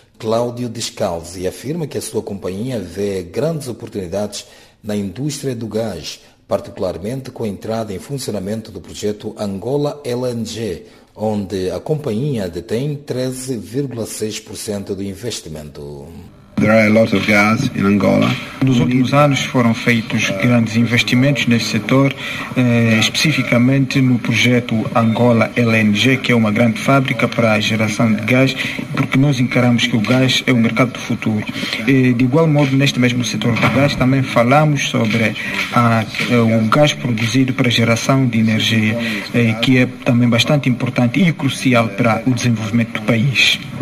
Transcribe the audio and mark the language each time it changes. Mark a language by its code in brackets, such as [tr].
[pt] Cláudio Descalzi afirma que a sua companhia vê grandes oportunidades na indústria do gás, particularmente com a entrada em funcionamento do projeto Angola LNG, onde a companhia detém 13,6% do investimento. [en] There are a lot of gas in Angola. [pt] Nos últimos anos foram feitos grandes investimentos nesse setor, especificamente no projeto Angola LNG, que é uma grande fábrica para a geração de gás, porque nós encaramos que o gás é o mercado do futuro. De igual modo, neste mesmo setor do gás, também falamos sobre o gás produzido para a geração de energia, que é também bastante importante e crucial para o desenvolvimento do país.